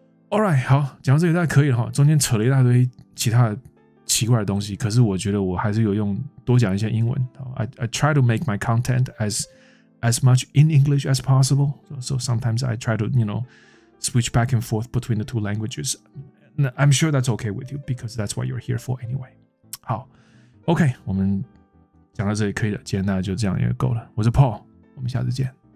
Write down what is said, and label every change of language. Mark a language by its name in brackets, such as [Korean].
[Chinese] Alright, 好，讲到这里大概可以了，中间扯了一大堆其他奇怪的东西，可是我觉得我还是有用多讲一些英文。 [English] I try to make my content as much in English as possible. So sometimes I try to, you know, switch back and forth between the two languages. I'm sure that's okay with you, because that's what you're here for anyway. [Chinese] 好 ,OK, 我们讲到这里可以了，今天大概就这样也够了。我是 Paul, 我们下次见。